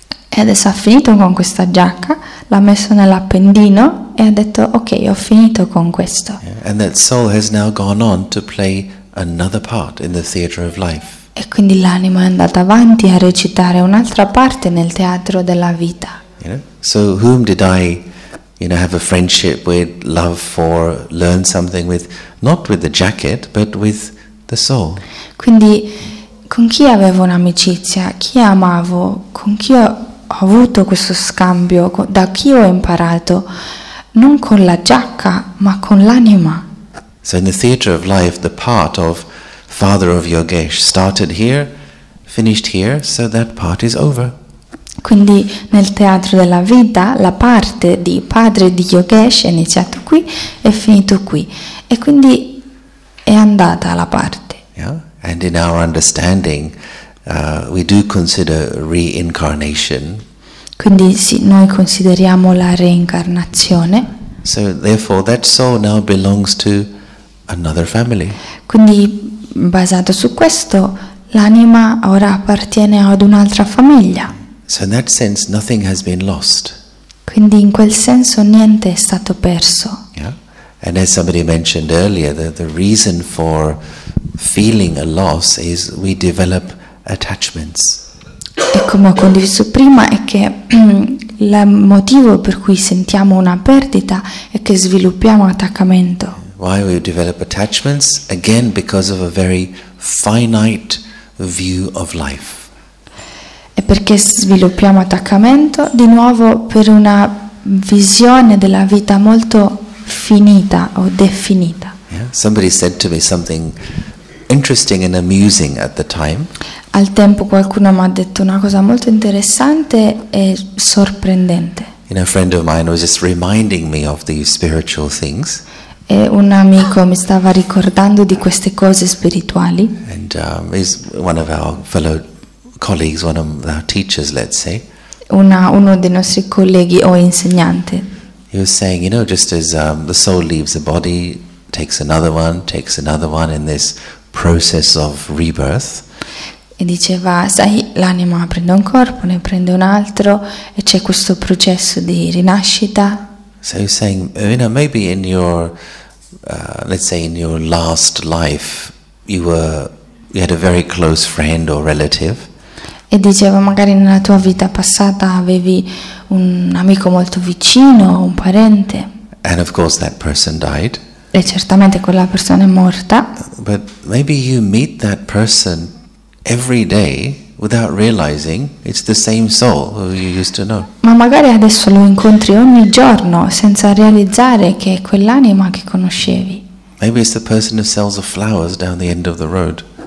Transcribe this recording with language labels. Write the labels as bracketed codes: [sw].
[it] E adesso ha finito con questa giacca, l'ha messo nell'appendino e ha detto, ok, ho finito con questo. [en] Yeah, and that soul has now gone on to play another part in the theater of life. [it] E quindi l'anima è andata avanti a recitare un'altra parte nel teatro della vita. [en] So whom did I, you know, have a friendship with, love for, learn something with? Not with the jacket, but with the soul. [it] Quindi, con chi avevo un'amicizia, chi amavo, con chi ho avuto questo scambio, da chi ho imparato, non con la giacca, ma con l'anima. [en] So in the theater of life, the part of father of Yogesh started here, finished here, so that part is over. [it] Quindi nel teatro della vita la parte di padre di Yogesh è iniziato qui e finito qui e quindi è andata la parte. [en] Yeah. And in our understanding we do consider reincarnation. [it] Quindi sì, noi consideriamo la reincarnazione. [en] So therefore that soul now belongs to another family. [it] Quindi basato su questo l'anima ora appartiene ad un'altra famiglia. [en] So in that sense, nothing has been lost. [it] Quindi in quel senso niente è stato perso. [en] Yeah. And as somebody mentioned earlier, the reason for feeling a loss is we develop attachments. [it] E come ho condiviso prima è che il motivo per cui sentiamo una perdita è che sviluppiamo attaccamento. [en] Why we develop attachments? Again, because of a very finite view of life. [it] E perché sviluppiamo attaccamento? Di nuovo per una visione della vita molto finita o definita. [en] Yeah. Somebody said to me something interesting and amusing at the time. [it] Al tempo qualcuno mi ha detto una cosa molto interessante e sorprendente. [en] You know, a friend of mine was just reminding me of these spiritual things. [it] E un amico mi stava ricordando di queste cose spirituali. [en] And he's one of our fellow colleagues, one of our teachers, let's say. [it] Uno dei nostri colleghi o insegnante. [en] He was saying, you know, just as the soul leaves the body, takes another one in this process of rebirth. [it] E diceva, sai, l'anima prende un corpo, ne prende un altro, e c'è questo processo di rinascita. [en] So he's saying, you know, maybe in your, let's say in your last life, you had a very close friend or relative. [it] E diceva, magari nella tua vita passata avevi un amico molto vicino, un parente. [en] And of course that person died. [it] E certamente quella persona è morta. [en] But maybe you meet that person every day without realizing it's the same soul who you used to know. [it] Ma magari adesso lo incontri ogni giorno senza realizzare che è quell'anima che conoscevi. [en] Maybe it's the person who sells the flowers down the end of the road.